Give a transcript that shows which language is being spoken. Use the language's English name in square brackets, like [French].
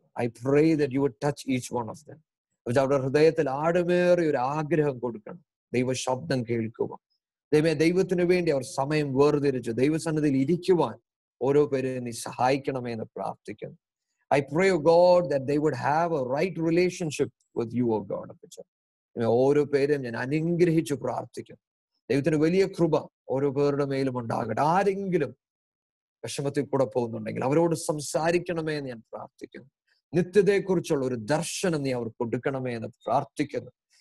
[English] I pray that you would touch each one of them. [Malayalam] അവർ അവരുടെ ഹൃദയത്തിൽ ആഴമേറിയ ഒരു ആഗ്രഹം കൊടുക്കണം ദൈവശബ്ദം കേൾക്കുക. ദൈവമേ, ദൈവത്തിന് വേണ്ടി അവർ സമയം വേർതിരിച്ചു ദൈവസന്നിധിയിൽ ഇരിക്കുവാൻ ഓരോ പേരെയും നീ സഹായിക്കണമേ എന്ന് പ്രാർത്ഥിക്കുന്നു. [English] I pray, O God, that they would have a right relationship with you, O God. [Malayalam] ഓരോ പേരെയും ഞാൻ അനുഗ്രഹിച്ചു പ്രാർത്ഥിക്കുന്നു. ദൈവത്തിന് വലിയ കൃപ ഓരോ പേരുടെ മേലും ഉണ്ടാകട്ടെ. ആരെങ്കിലും വിഷമത്തിൽ കൂടെ പോകുന്നുണ്ടെങ്കിൽ അവരോട് സംസാരിക്കണമേ എന്ന് ഞാൻ പ്രാർത്ഥിക്കുന്നു. നിത്യതയെ കുറിച്ചുള്ള ഒരു ദർശനം നീ അവർ കൊടുക്കണമേ എന്ന് പ്രാർത്ഥിക്കുന്നു.